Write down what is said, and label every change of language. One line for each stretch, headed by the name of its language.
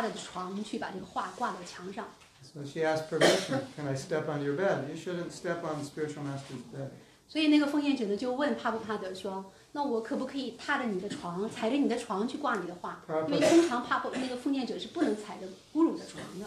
Chinese: 那奉献姐姐呢，需要跨过帕布帕的床去把这个画挂到墙上。
English: So she asked permission, can I step on your bed? You shouldn't step on the spiritual master's bed.
Chinese: 所以那个奉献者呢就问帕布帕的说，那我可不可以踏着你的床，踩着你的床去挂你的画？因为通常帕布那个奉献者是不能踩着guru的床的。